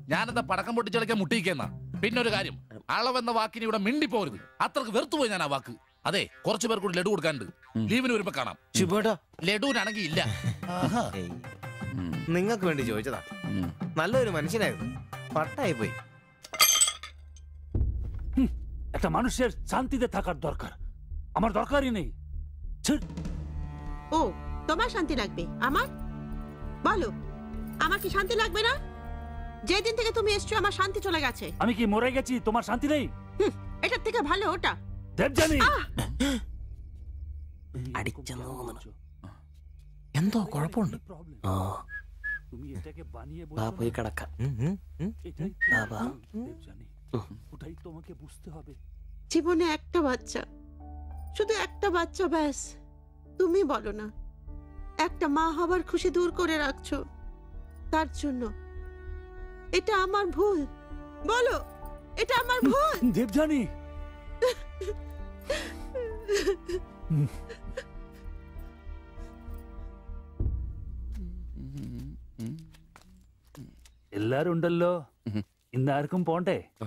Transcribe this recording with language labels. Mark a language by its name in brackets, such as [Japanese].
[Malayalam] ഞാനെന്താ പടക്കം പൊട്ടിച്ചളിക്കാൻ മുട്ടിയിക്കുന്നാ? പിന്നൊരു കാര്യം, അളവെന്ന വാക്കിന് ഇവിടെ മിണ്ടിപ്പോരുത്. അത്രക്ക് വെറുത്തുപോയി ഞാൻ ആ വാക്ക്. അതെ, കുറച്ചു പേർ കൂടി ലഡു കൊടുക്കാനുണ്ട്. ലീവിന് വരുമ്പോ കാണാം. ശിബുട്ടാ, ലഡുവിനാണെങ്കിൽ ഇല്ല. നിങ്ങൾക്ക് വേണ്ടി ചോദിച്ചതാ, നല്ലൊരു മനുഷ്യനായിരുന്നു, പട്ടായി പോയി. [Bangla] এটা মানুষের শান্তিতে থাকার দরকার, আমার দরকারই নেই। ও, তোমার শান্তি লাগবে, আমার বলো, আমার কি শান্তি লাগবে না? যেদিন থেকে তুমি এসছো আমার শান্তি চলে গেছে। আমি কি মরে গেছি তোমার শান্তি নেই? এটা থেকে ভালো ওটা দেব জানি। [Malayalam] എന്തോ കുഴപ്പമുണ്ട്. പോയി കിടക്ക. [Bangla] জীবনে একটা বাচ্চা, শুধু একটা বাচ্চা ব্যাস। তুমি বলো না, একটা মা হবার খুশি দূর করে রাখছো তার জন্য? এটা আমার ভুল, বলো, এটা আমার ভুল। দেব জানি, [Malayalam] എല്ലാരും ഉണ്ടല്ലോ, ഇന്നാർക്കും പോണ്ടേ?